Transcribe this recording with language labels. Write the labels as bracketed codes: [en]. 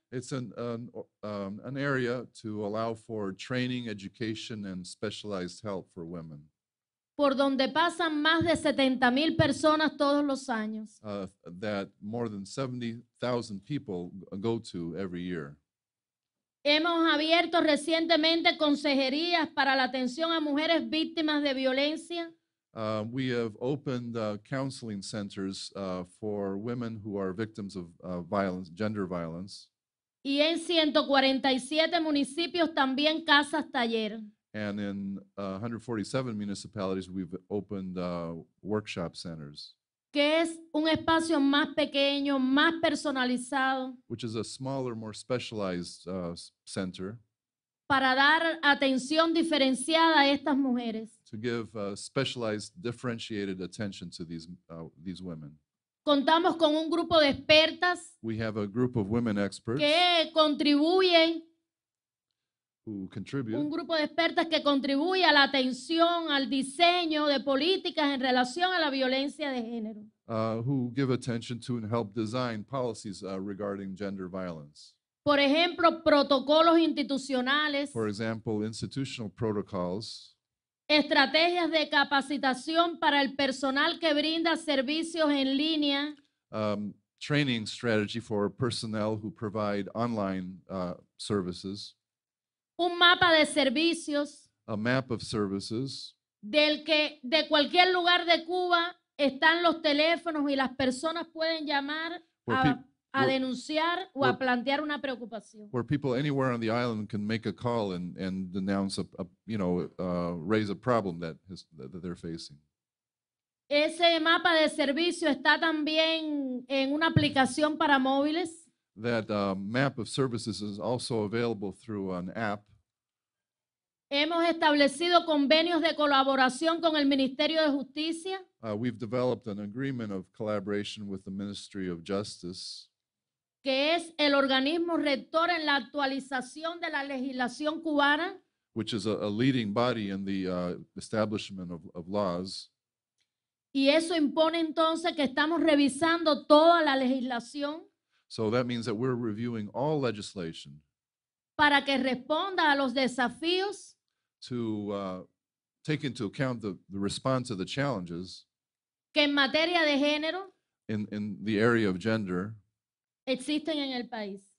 [en] It's an area to allow for training, education and specialized help for women. [es] Por donde pasan más de 70,000 personas todos los años. [en] That more than 70,000 people go to every year. [es] Hemos abierto recientemente consejerías para la atención a mujeres víctimas de violencia. [en] We have opened counseling centers for women who are victims of violence, gender violence. [es] Y en 147 municipios también casas taller. [en] And in 147 municipalities, we've opened workshop centers. [es] Que es un espacio más pequeño, más personalizado. [en] Which is a smaller, more specialized center. [es] Para dar atención diferenciada a estas mujeres. [en] To give specialized, differentiated attention to these women. [es] Contamos con un grupo de expertas. [en] We have a group of women experts. [es] Que contribuyen. [en] Who contribute. [es] Un grupo de expertas que contribuye a la atención, al diseño de políticas en relación a la violencia de género. [en] Who give attention to and help design policies regarding gender violence. [es] Por ejemplo, protocolos institucionales. [en] For example, institutional protocols. [es] Estrategias de capacitación para el personal que brinda servicios en línea. [en] Training strategy for personnel who provide online services. [es] Un mapa de servicios. [en] A map of services. [es] Del que de cualquier lugar de Cuba están los teléfonos y las personas pueden llamar a denunciar o a plantear una preocupación. [en] Where people anywhere on the island can make a call and denounce a raise a problem that they're facing. [es] Ese mapa de servicio está también en una aplicación para móviles. [en] That map of services is also available through an app. [es] Hemos establecido convenios de colaboración con el Ministerio de Justicia. [en] We've developed an agreement of collaboration with the Ministry of Justice. [es] Que es el organismo rector en la actualización de la legislación cubana. [en] Which is a leading body in the establishment of laws. [es] Y eso impone entonces que estamos revisando toda la legislación. [en] So that means that we're reviewing all legislation. [es] Para que responda a los desafíos. [en] To take into account the response to the challenges. [es] Que en materia de género. [en] In the area of gender. [es] Existen en el país.